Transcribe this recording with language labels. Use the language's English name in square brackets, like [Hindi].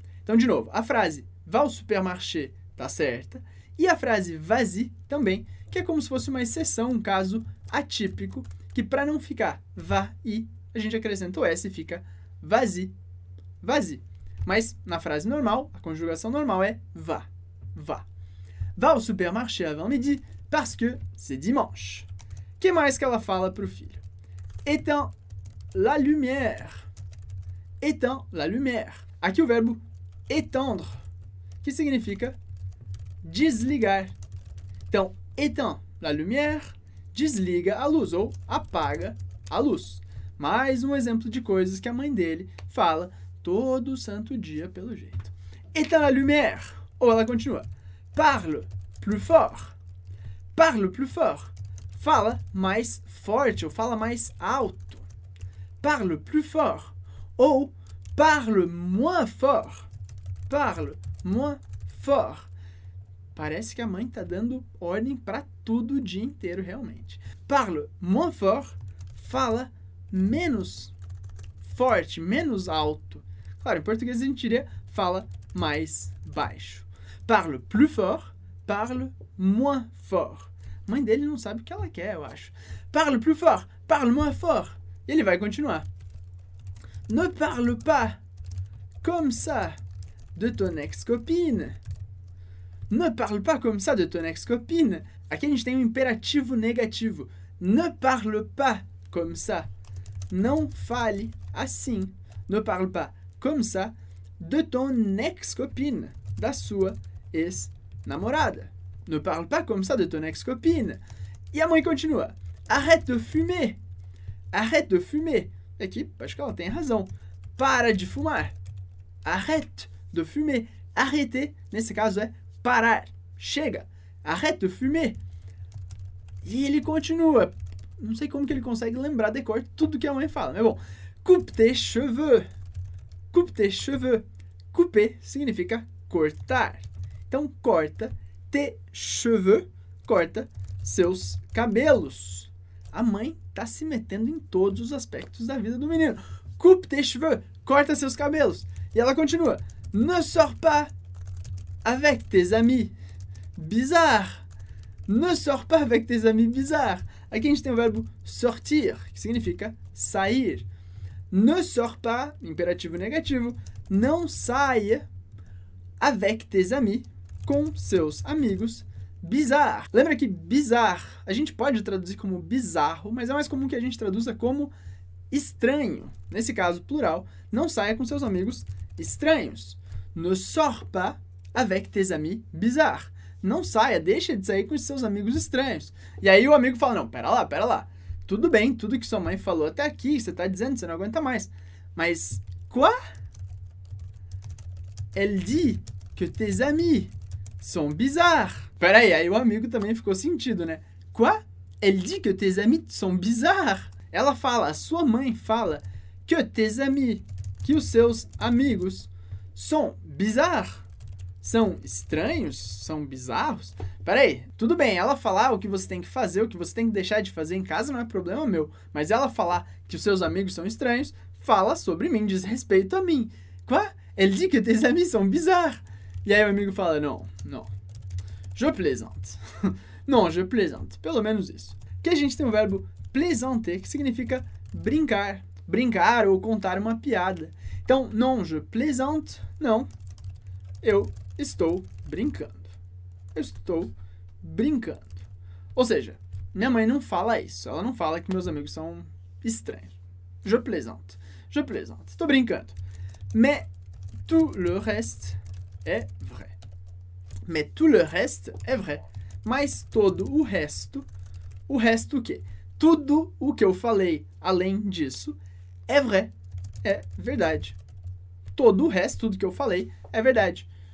[Portuguese] Então, de novo, a frase vá ao supermarché está certa e a frase vas-y também, que é como se fosse uma exceção, um caso atípico, que para não ficar vá i, a gente acrescenta o s e fica vas-y, vas-y. Mas na frase normal, a conjugação normal é vá, vá. [French] Va au supermarché avant midi parce que c'est dimanche. [Portuguese] Que mais que ela fala pro filho? [French] Éteins la lumière. Éteins la lumière. [Portuguese] Aqui o verbo étendre, que significa desligar. Então, [French] éteint la lumière, [Portuguese] desliga a luz ou apaga a luz. Mais um exemplo de coisas que a mãe dele fala todo santo dia, pelo jeito. [French] Éteint la lumière. [Portuguese] Ou ela continua. [French] Parle plus fort. Parle plus fort. [Portuguese] Fala mais forte ou fala mais alto. [French] Parle plus fort. Ou parle moins fort. Parle moins fort. [Portuguese] Parece que a mãe está dando ordem para tudo o dia inteiro, realmente. [French] Parle moins fort. [Portuguese] Fala menos forte, menos alto. Claro, em português a gente diria fala mais baixo. [French] Parle plus fort, parle moins fort. [Portuguese] Mãe dele não sabe o que ela quer, eu acho. [French] Parle plus fort, parle moins fort. [Portuguese] E ele vai continuar. [French] Ne parle pas comme ça de ton ex-copine. Ne parle pas comme ça de ton ex-copine. [Portuguese] Aqui a gente tem um imperativo negativo. [French] Ne parle pas comme ça. [Portuguese] Não fale assim. [French] Ne parle pas comme ça de ton ex-copine. [Portuguese] Da sua ex-namorada. [French] Ne parle pas comme ça de ton ex-copine. [Portuguese] E a mãe continua. [French] Arrête de fumer. Arrête de fumer. [Portuguese] Aqui, acho que ela tem razão. Para de fumar. [French] Arrête de fumer. [Portuguese] Arrêter, nesse caso, é parar. Chega. [French] Arrête de fumer. [Portuguese] E ele continua. Não sei como que ele consegue lembrar de cor tudo que a mãe fala. Mas bom. [French] Coupe tes cheveux. Coupe tes cheveux. [Portuguese] Couper significa cortar. Então, corta tes cheveux, corta seus cabelos. A mãe está se metendo em todos os aspectos da vida do menino. [French] Coupe tes cheveux, [Portuguese] corta seus cabelos. E ela continua. [French] Ne sors pas avec tes amis bizarres. Ne sors pas avec tes amis bizarres. [Portuguese] Aqui a gente tem o verbo sortir, que significa sair. [French] Ne sors pas, [Portuguese] imperativo negativo, não saia. [French] Avec tes amis, [Portuguese] com seus amigos, bizarre. Lembra que bizarre, a gente pode traduzir como bizarro, mas é mais comum que a gente traduza como estranho. Nesse caso, plural, não saia com seus amigos estranhos. [French] Ne sors pas avec tes amis bizarres. [Portuguese] Não saia, deixa de sair com seus amigos estranhos. E aí o amigo fala, não, pera lá. Tudo bem, tudo que sua mãe falou até aqui, você tá dizendo, você não aguenta mais. Mas, quoi? [French] Elle dit que tes amis sont bizarres. [Portuguese] Peraí, aí o amigo também ficou sentido, né? [French] Quoi? Elle dit que tes amis sont bizarres. [Portuguese] Ela fala, a sua mãe fala que tes amis, que os seus amigos, [French] sont bizarres. [Portuguese] São estranhos? São bizarros? Peraí, tudo bem, ela falar o que você tem que fazer, o que você tem que deixar de fazer em casa não é problema meu. Mas ela falar que os seus amigos são estranhos, fala sobre mim, diz respeito a mim. [French] Quoi? Elle dit que tes amis sont bizarres. [Portuguese] E aí o amigo fala, não. [French] Je plaisante. Non, je plaisante. [Portuguese] Pelo menos isso. Aqui a gente tem o verbo plaisanter, que significa brincar. Brincar ou contar uma piada. Então, [French] non, je plaisante. [Portuguese] Não, eu estou brincando. Eu estou brincando. Ou seja, minha mãe não fala isso. Ela não fala que meus amigos são estranhos. [French] Je plaisante. Je plaisante. [Portuguese] Estou brincando. [French] Mais tout le reste est vrai. Mais tout le reste est vrai. [Portuguese] Mas todo o resto o quê? Tudo o que eu falei além disso é vrai, é verdade. Todo o resto, tudo que eu falei é verdade.